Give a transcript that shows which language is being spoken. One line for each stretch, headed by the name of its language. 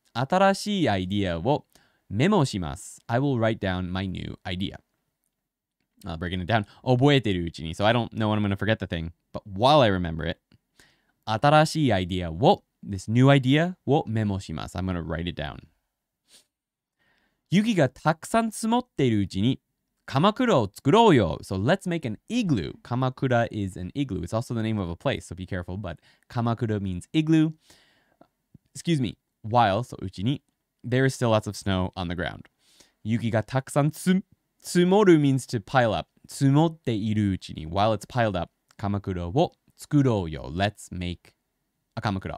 Japanese: 新しいアイディアをメモします.
English: I will write down my new idea. I'll break it down.
Japanese: 覚えているうちに,
English: so I don't know when I'm going to forget the thing, but while I remember it,
Japanese: 新しいアイディアを
English: This new idea
Japanese: をメモします。
English: I'm going to write it down.
Japanese: 雪がたくさん積もっているうちに鎌倉を作ろうよ。
English: So let's make an igloo. 鎌倉 is an igloo. It's also the name of a place, so be careful. But 鎌倉 means igloo. Excuse me. While, so うちに there is still lots of snow on the ground.
Japanese: 雪がたくさん積もる
English: means to pile up.
Japanese: 積もっているうちに
English: while it's piled up,
Japanese: 鎌倉を作ろうよ。
English: Let's make... A kamakura.